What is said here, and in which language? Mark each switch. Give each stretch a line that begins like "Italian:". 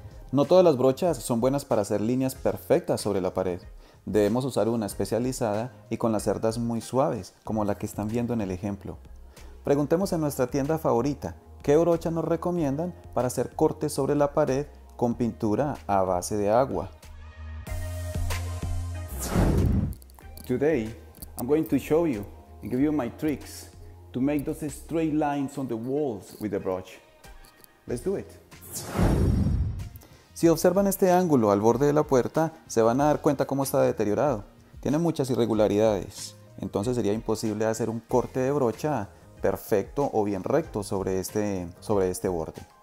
Spanish: No todas las brochas son buenas para hacer líneas perfectas sobre la pared. Debemos usar una especializada y con las cerdas muy suaves, como la que están viendo en el ejemplo. Preguntemos en nuestra tienda favorita, ¿qué brocha nos recomiendan para hacer cortes sobre la pared con pintura a base de agua?
English: Today, I'm going to show you and give you my tricks to make those straight lines on the walls with the brush. Let's do it.
Spanish: Si observan este ángulo al borde de la puerta, se van a dar cuenta cómo está deteriorado. Tiene muchas irregularidades. Entonces sería imposible hacer un corte de brocha perfecto o bien recto sobre este borde.